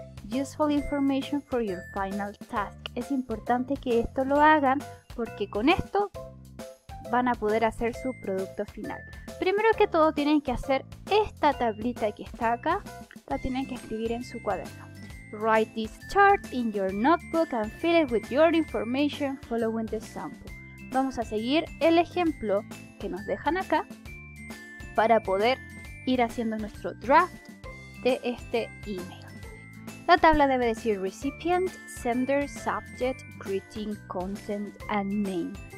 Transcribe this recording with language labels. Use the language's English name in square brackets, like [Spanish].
[English] Useful information for your final task. [Spanish] Es importante que esto lo hagan porque con esto van a poder hacer su producto final. Primero que todo tienen que hacer esta tablita que está acá, la tienen que escribir en su cuaderno. [English] Write this chart in your notebook and fill it with your information following the sample. [Spanish] Vamos a seguir el ejemplo que nos dejan acá para poder ir haciendo nuestro draft de este email. La tabla debe decir [English] recipient, sender, subject, greeting, content and name.